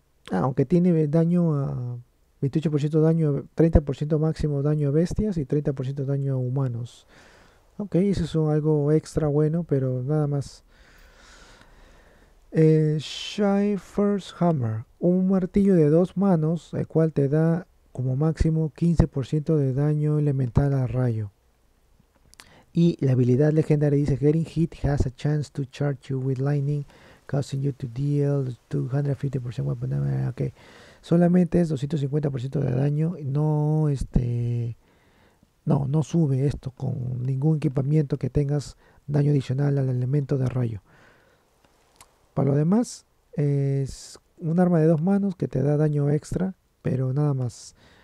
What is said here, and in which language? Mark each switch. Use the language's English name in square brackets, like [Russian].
[Spanish] Ah, aunque tiene daño a 28% daño, 30% máximo daño a bestias y 30% daño a humanos. Ok, eso es algo extra bueno, pero nada más. Shifer's Hammer, un martillo de dos manos, el cual te da como máximo 15% de daño elemental al rayo. Y la habilidad legendaria dice: [English] Getting hit has a chance to charge you with lightning, causing you to deal 250% weapon damage. [Spanish] Ok, solamente es 250% de daño. No, no sube esto con ningún equipamiento que tengas daño adicional al elemento de rayo. Para lo demás, es un arma de dos manos que te da daño extra, pero nada más.